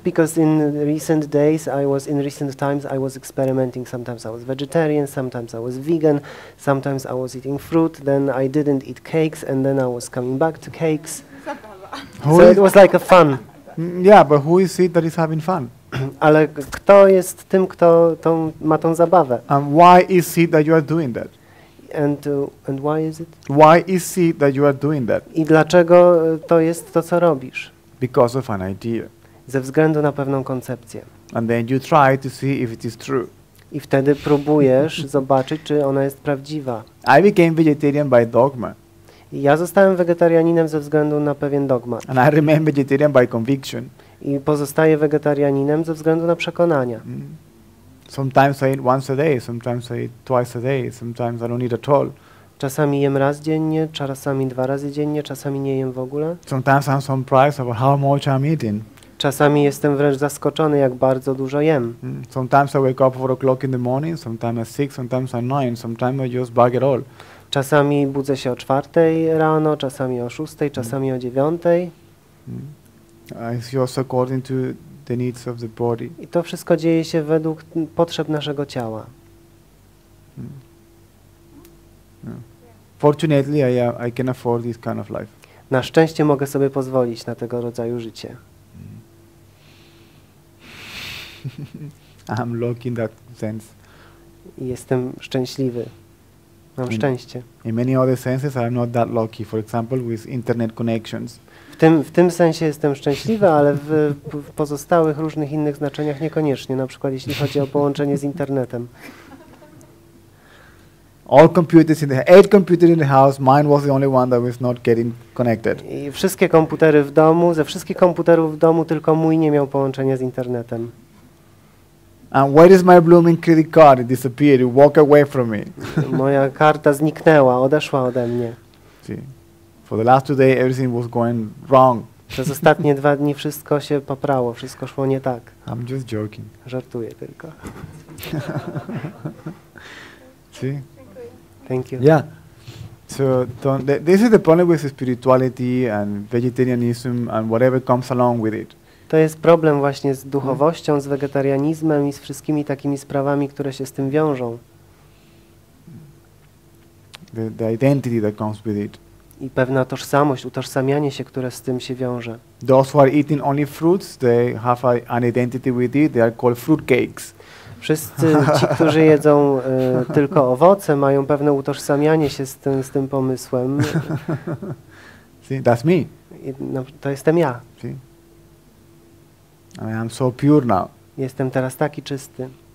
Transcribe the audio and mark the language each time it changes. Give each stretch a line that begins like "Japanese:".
English: Because in recent times I was experimenting. Sometimes I was vegetarian, sometimes I was vegan, sometimes I was eating fruit, then I didn't eat cakes, and then I was coming back to cakes.
Polish: Zabawa.
English: So it was like a fun. Yeah, but who is it that is having fun?
Polish: Ale kto jest tym, kto ma tą zabawę?
English: And why is it that you are doing that? And why is it? Why is it that you are doing that?
Polish: I dlaczego to jest to, co robisz?
English: Because of an idea.
Polish: Ze względu na pewną koncepcję.
English: And then you try to see if it is true.
Polish: I wtedy próbujesz zobaczyć, czy ona jest prawdziwa.
English: I became vegetarian by dogma.
Polish: Ja zostałem wegetarianinem ze względu na pewien dogmat.
English: And I remain vegetarian by conviction.
Polish: I pozostaję wegetarianinem ze względu na przekonania.
English: Sometimes I eat once a day, sometimes I eat twice a day, sometimes I don't eat at all.
Polish: Czasami jem raz dziennie, czasami dwa razy dziennie, czasami nie jem w ogóle.
English: Sometimes I'm surprised about how much I'm eating.
Polish: Czasami jestem wręcz zaskoczony, jak bardzo dużo jem.
English: Sometimes I wake up 4 o'clock in the morning, sometimes at 6, sometimes at 9, sometimes I just bag it all.
Polish: Czasami budzę się o 4 rano, czasami o 6, czasami o 9.
English: It's just according to the needs of the body.
Polish: I to wszystko dzieje się według potrzeb naszego ciała.
English: Fortunately, I can afford this kind of life.
Polish: Na szczęście mogę sobie pozwolić na tego rodzaju życie.
English: I'm lucky in that sense.
Polish: Jestem szczęśliwy. Mam szczęście.
English: In many other senses, I'm not that lucky. For example, with internet connections.
Polish: W tym sensie jestem szczęśliwy, ale w pozostałych różnych innych znaczeniach niekoniecznie. Na przykład, jeśli chodzi o połączenie z internetem.
English: All computers in the 8 computers in the house, mine was the only one that was not getting connected.
Polish: I wszystkie komputery w domu, ze wszystkich komputerów w domu tylko mój nie miał połączenia z internetem.
English: And where is my blooming credit card? It disappeared. It walked away from me.
Polish: Moja karta zniknęła, odeszła ode mnie.
English: See, for the last 2 days, everything was going wrong.
Polish: Przez ostatnie 2 dni wszystko się poprało, wszystko szło nie tak.
English: I'm just joking.
Polish: Żartuję tylko.
English: See? Thank you. Yeah. So this is the problem with spirituality and vegetarianism and whatever comes along with it.
Polish: To jest problem właśnie z duchowością, z wegetarianizmem i z wszystkimi takimi sprawami, które się z tym wiążą.
English: The identity that comes with it.
Polish: I pewna tożsamość, utożsamianie się, które z tym się wiąże.
English: Those who are eating only fruits, they have an identity with it, they are called fruitcakes.
Polish: Wszyscy ci, którzy jedzą tylko owoce, mają pewne utożsamianie się z tym pomysłem.
English: See, that's me.
Polish: To jestem ja.
English: See? I am so pure now.
Polish: Jestem teraz taki czysty.